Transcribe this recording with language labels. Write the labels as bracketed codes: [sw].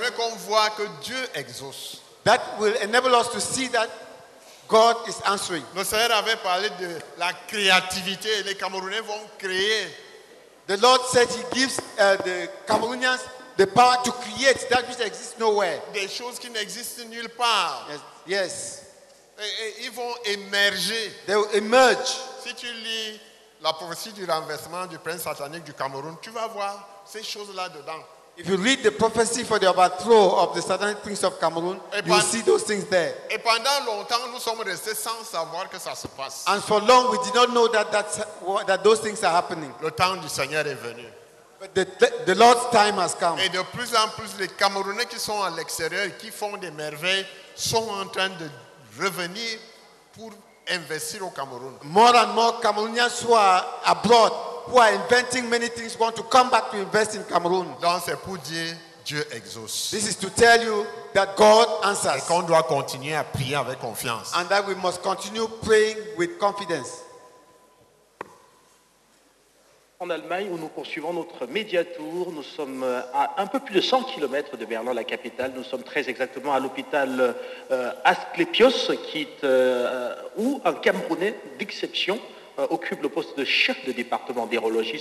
[fr] Déjà, ça permet qu'on voit que Dieu exauce. [en] That will enable us to see that God is answering. [fr] Le Seigneur avait parlé de la créativité. Les Camerounais vont créer. [en] The Lord said He gives the Cameroonians the power to create that which exists nowhere. [fr] Des choses qui n'existent nulle part. [en] Yes. [fr] Et ils vont émerger. [en] They will emerge. [fr] Si tu lis la prophétie du renversement du prince satanique du Cameroun, tu vas voir. Ces choses-là dedans. [en] If you read the prophecy for the overthrow of the satanic prince of Cameroon, you see those things there. [fr] Et pendant longtemps, nous sommes restés sans savoir que ça se passe. [en] And for long, we did not know that those things are happening. [fr] Le temps du Seigneur est venu. [en] But the Lord's time has come. [fr] Et de plus en plus, les Camerounais qui sont à l'extérieur, qui font des merveilles, sont en train de revenir pour investir au Cameroun. [en] More and more Cameroonians who are abroad, who are inventing many things, want to come back to invest in Cameroon. [fr] Donc c'est pour dire Dieu exauce. [en] This is to tell you that God answers. [fr] Et qu'on doit continuer à prier avec confiance. [en] And that we must continue praying with confidence. [fr] En Allemagne, où nous poursuivons notre média tour, nous sommes à un peu plus de 100 km de Berlin, la capitale. Nous sommes très exactement à l'hôpital Asclepios, qui est où un Camerounais d'exception occupe le poste de chef de département d'urologie.